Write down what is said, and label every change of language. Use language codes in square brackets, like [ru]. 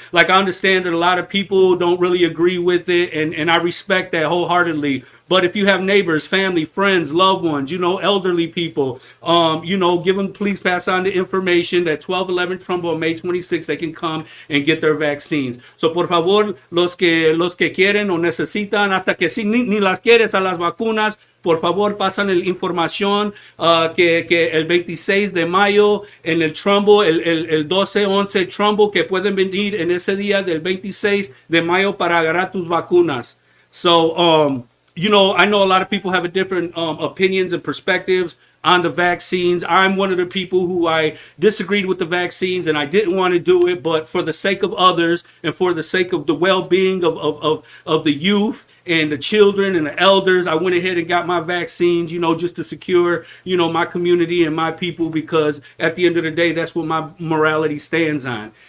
[en] Like, I understand that a lot of people don't really agree with it, and I respect that wholeheartedly. But if you have neighbors, family, friends, loved ones, you know, elderly people, you know, give them, please pass on the information that 1211 Trumbull on May 26th, they can come and get their vaccines. [es] So, por favor, los que quieren o necesitan, hasta que si ni las quieres a las vacunas, por favor, pasan la información que el 26 de mayo en el Trumbull, el 1211 Trumbull, que pueden venir en ese día del 26 de mayo para agarrar tus vacunas. [en] So, you know, I know a lot of people have a different opinions and perspectives on the vaccines. I'm one of the people who I disagreed with the vaccines and I didn't want to do it. But for the sake of others and for the sake of the well-being of the youth and the children and the elders, I went ahead and got my vaccines, you know, just to secure, you know, my community and my people, because at the end of the day, that's what my morality stands on.